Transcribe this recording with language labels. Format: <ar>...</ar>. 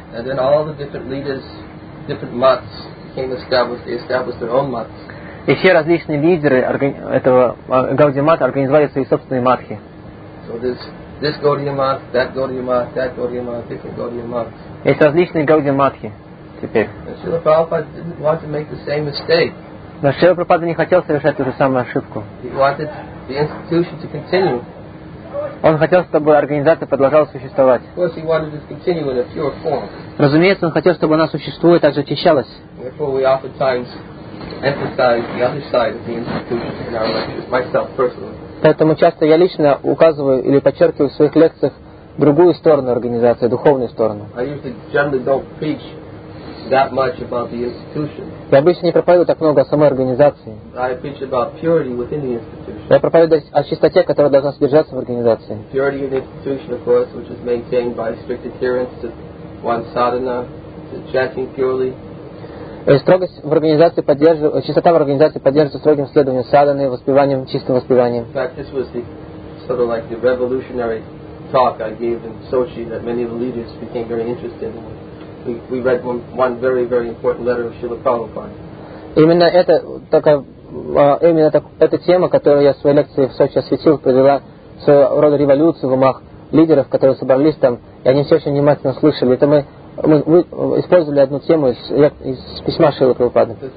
<en>And then all the different leaders, different mats came established, they established their own mats.</en> <ru>И все различные лидеры этого Гаудия-мата организовали свои собственные матхи.</ru> <en>So this Gaudiya-mat, that Gaudiya-mat, that Gaudiya-mat, different Gaudiya-mats.</en> <ru>Есть различные Гаудия-матхи теперь.</ru> <en>And Srila Prabhupada didn't want to make the same mistake.</en> <ru>Но Шрила Прабхупада не хотел совершать ту же самую ошибку.</ru> <en>He wanted the institution to continue.</en> <ru>Он хотел, чтобы организация продолжала существовать.</ru> <en>Of course, he wanted to continue in a pure form.</en> <ru>Разумеется, он хотел, чтобы она существовала и также очищалась.</ru> <en>Therefore, we oftentimes emphasize the other side of the institution in our lectures, myself personally.</en> <ru>Поэтому часто я лично указываю или подчеркиваю в своих лекциях другую сторону организации, духовную сторону.</ru> <en>I usually generally don't preach that much about the institution.</en> <ru>Я обычно не проповедую так много о самой организации.</ru> <en>I preach about purity within the institution.</en> <ru>Я проповедую о чистоте, которая должна содержаться в организации.</ru> <en>Purity of the institution, of course, which is maintained by strict adherence to one sadhana, to chanting purely.</en> <ru>Строгость в организации поддерживается, чистота в организации поддерживается строгим следованием садханы, воспеванием, чистым воспеванием.</ru> <en>In fact, this was the sort of like the revolutionary talk I gave in Sochi that many of the leaders became very interested in. We read one very, very important letter of Srila Prabhupada.</en> <ru>Именно эта тема, которую я в своей лекции в Сочи осветил, привела своего рода революцию в умах лидеров, которые собрались там, и они все очень внимательно слышали. Это мы использовали одну тему из письма Шрилы Прабхупады.</ru>